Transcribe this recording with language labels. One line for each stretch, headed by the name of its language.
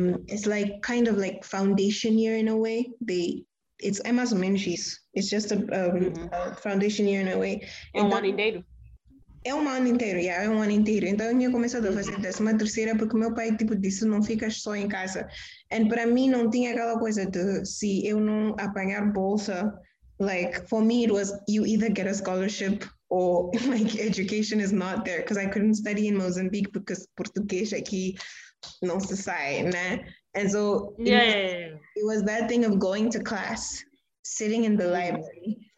English: It's like kind of like foundation year in a way. It's
Portuguese: é mais ou menos isso.
English: It's just a foundation year in a way.
Portuguese: É um ano inteiro. Então eu tinha começado a fazer décima terceira porque meu pai tipo disse, não ficas só em casa. E para mim não tinha aquela coisa de se eu não apanhar bolsa.
English: Like for me it was you either get a scholarship or like education is not there because I couldn't study in Mozambique because
Portuguese: português aqui não se sai, né?
English: And so it was that thing of going to class, sitting in the library.